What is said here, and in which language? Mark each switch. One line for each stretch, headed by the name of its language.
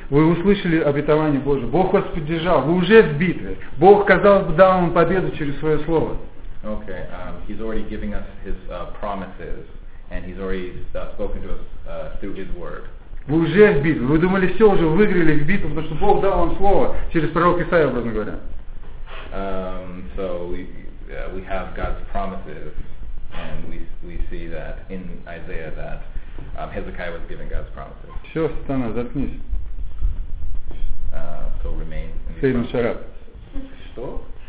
Russian: Вы услышали обетование Божие. Бог вас поддержал. Вы уже в битве. Бог, казалось бы, дал вам победу через свое слово.
English: Okay. He's already giving us his promises, and he's already spoken to us through his word.
Russian: Вы уже в битве. Вы думали, все, уже выиграли в битву, потому что Бог дал вам слово через пророка Исаию, образно говоря.
English: So we have God's promises, and we see that in Isaiah that Hezekiah was given God's promises.
Russian: Все, сатана, заткнись.
English: So remain. Сейрин Шарап.
Russian: Что?